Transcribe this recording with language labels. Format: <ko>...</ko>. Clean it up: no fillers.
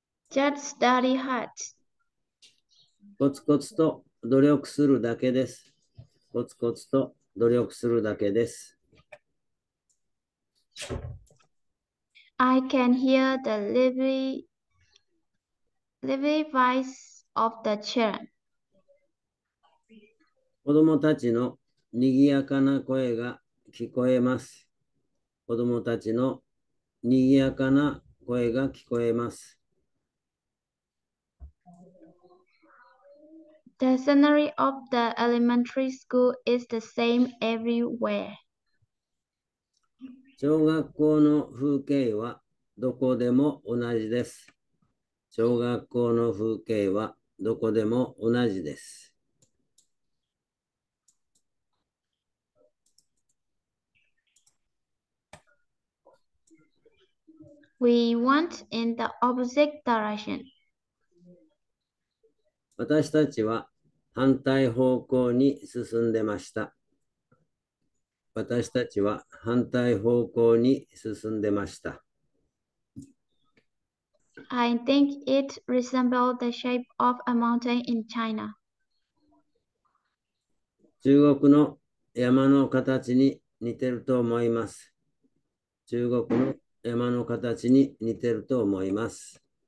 <en>Just study hard.</en> <ja>コツコツと努力するだけです。コツコツと努力するだけです。</ja> <en>I can hear the living voice of the children.</en> <ja>子供たちのにぎやかな声が聞こえます。子供たちのにぎやかな声が聞こえます。</ja> <en>The scenery of the elementary school is the same everywhere.</en> <ja>小学校の風景はどこでも同じです。小学校の風景はどこでも同じです。</ja> <en>We went in the opposite direction.</en> <ja>私たちは反対方向に進んでました。私たちは反対方向に進んでました。</ja> <en>I think it resembles the shape of a mountain in China.</en> <ja>中国の山の形に似てると思います。中国の山の形に似てると思います。</ja>